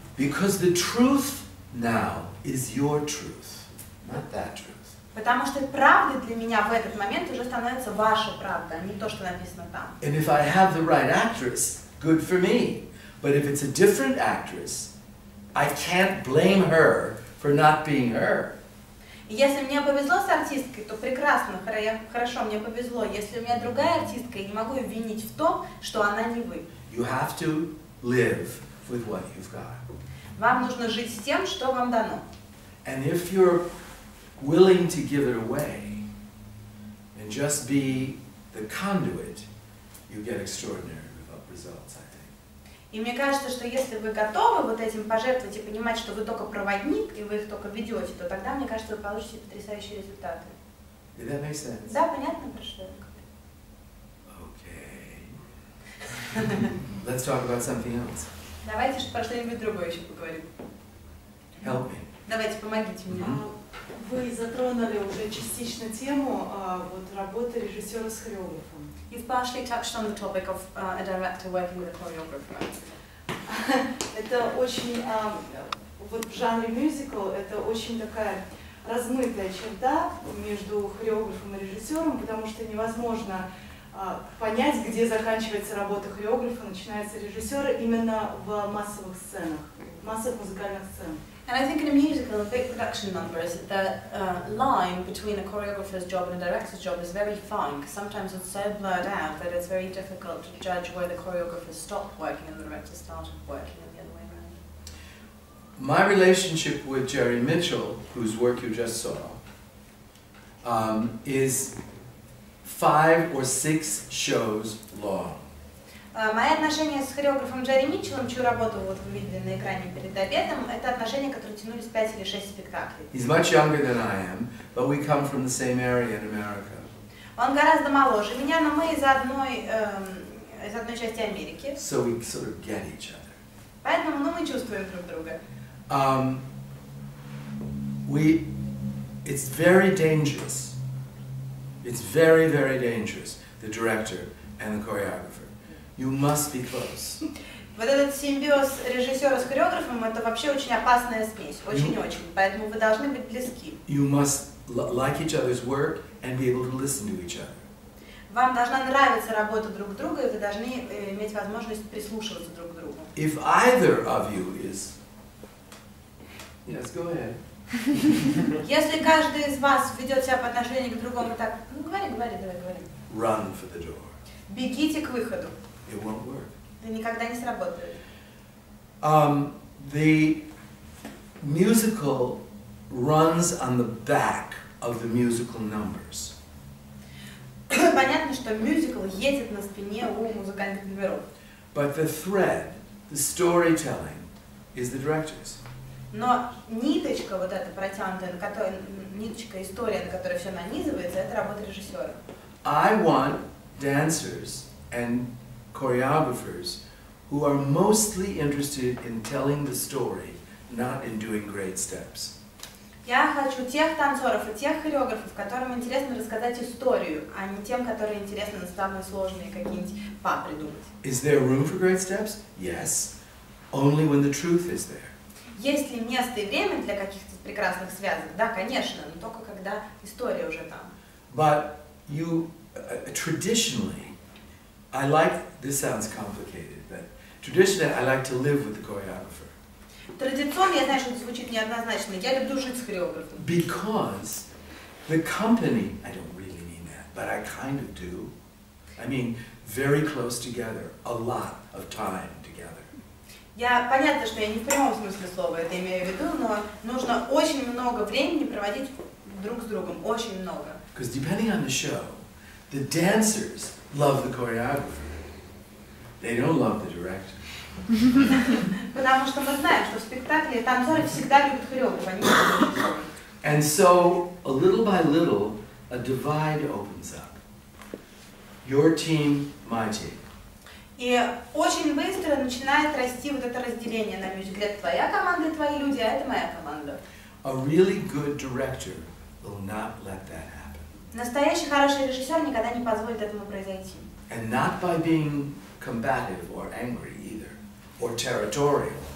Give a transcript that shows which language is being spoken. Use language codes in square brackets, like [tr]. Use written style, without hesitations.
[en] Because the truth now is your truth, not that truth. [ru] Потому что правда для меня в этот момент уже становится ваша правда, а не то, что написано там. [en] And if I have the right actress, good for me. But if it's a different actress, I can't blame her for not being her. [ru] Если мне повезло с артисткой, то прекрасно, хорошо, мне повезло. Если у меня другая артистка, я не могу ее винить в том, что она не вы. [en] You have to live with what you've got. [ru] Вам нужно жить с тем, что вам дано. [en] And if you're willing to give it away and just be the conduit, you get extraordinary results, I think. [ru] И мне кажется, что если вы готовы вот этим пожертвовать и понимать, что вы только проводник и вы их только ведете, то тогда мне кажется, вы получите потрясающие результаты. [en] Did that make sense? [ru] Да, понятно, про что я говорю. [en] Okay. Let's talk about something else. [ru] Давайте про что-нибудь другое еще поговорим. [en] Help me. [ru] Давайте, помогите мне. Вы затронули уже частично тему вот работы режиссера с хореографом. [en] You've partially touched on the topic of a director working with a choreographer. [ru] Это очень вот в жанре мюзикл это очень такая размытая черта между хореографом и режиссером, потому что невозможно понять, где заканчивается работа хореографа, начинается режиссера именно в массовых сценах, в массовых музыкальных сценах. [en] And I think in a musical, a big production number is the line between a choreographer's job and a director's job is very fine, because sometimes it's so blurred out that it's very difficult to judge where the choreographer stopped working and the director started working and the other way around. My relationship with Jerry Mitchell, whose work you just saw, is 5 or 6 shows long. [ru] Мои отношения с хореографом Джерри Митчеллом, чью работу вот вы видели на экране перед обедом, это отношения, которые тянулись 5 или 6 спектаклей. [en] He's much younger than I am, but we come from the same area in America. [ru] Он гораздо моложе меня, но мы из одной части Америки. [en] So we sort of get each other. [ru] Поэтому мы чувствуем друг друга. [en] It's very dangerous. It's very, very dangerous, the director and the choreographer. You must be close. [ru] Вот этот симбиоз режиссера с хореографом это вообще очень опасная смесь, очень-очень. Поэтому вы должны быть близки. [en] You must like each other's work and be able to listen to each other. [ru] Вам должна нравиться работа друг друга, и вы должны иметь возможность прислушиваться друг к другу. [en] If either of you is, yes, go ahead. [ru] Если каждый из вас ведет себя по отношению к другому так, ну говори, говори, давай, говори. [en] Run for the door. [ru] Бегите к выходу. [en] It won't work. [ru] Это никогда не сработает. [en] The musical runs on the back of the musical numbers. [ru] Понятно, что мюзикл едет на спине у музыкальных номеров. [en] But the thread, the storytelling, is the director's. [ru] Но ниточка вот эта протянутая, ниточка история, на которой все нанизывается, это работа режиссера. [en] I want dancers and choreographers who are mostly interested in telling the story, not in doing great steps. [ru] Я хочу тех танцоров и тех хореографов, которым интересно рассказать историю, а не тем, которые интересно самые сложные какие-нибудь па придумать. [en] Is there room for great steps? Yes, only when the truth is there. [ru] Есть ли место и время для каких-то прекрасных связок? Да, конечно, но только когда история уже там. [en] But you traditionally. I like, this sounds complicated, but traditionally I like to live with the choreographer. [ru] Традиционно, я знаю, что это звучит неоднозначно, я люблю жить с хореографом. [en] Because the company, I don't really mean that, but I kind of do. I mean, very close together, a lot of time together. [ru] Я, понятно, что я не в прямом смысле слова это имею в виду, но нужно очень много времени проводить друг с другом очень много. [en] Because depending on the show, the dancers love the choreographer. They don't love the director. [ru] Потому что мы знаем, что в спектакле танцоры всегда любят хореографа, не режиссера. [en] And so, a little by little, a divide opens up. Your team, my team. [ru] И очень быстро начинает расти вот это разделение на мюзикле. Твоя команда, твои люди, а это моя команда. [en] A really good director will not let that happen. [ru] Настоящий хороший режиссер никогда не позволит этому произойти. [en] And not by being combative or angry either, or territorial.